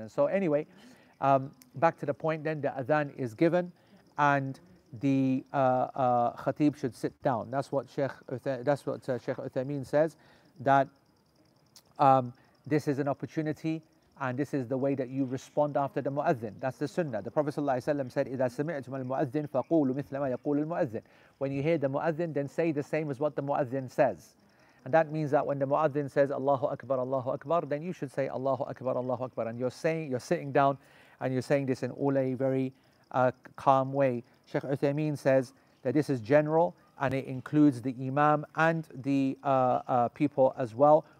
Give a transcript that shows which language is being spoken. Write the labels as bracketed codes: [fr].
[en] And so anyway, back to the point then, the adhan is given and the khatib should sit down. That's what Sheikh Uthaymeen says, that this is an opportunity and this is the way that you respond after the mu'adhin. That's the sunnah. [ar] The Prophet ﷺ said, إِذَا سَمِعْتُمَ الْمُؤَذِّنِ فَقُولُوا مِثْلَ مَا يَقُولُ الْمُؤَذِّنِ. [en] When you hear the mu'adhin, then say the same as what the mu'adhin says. And that means that when the mu'adhin says, Allahu Akbar, Allahu Akbar, then you should say, Allahu Akbar, Allahu Akbar. And you're saying, you're sitting down and you're saying this in all a very calm way. Sheikh Uthaymeen says that this is general and it includes the imam and the people as well.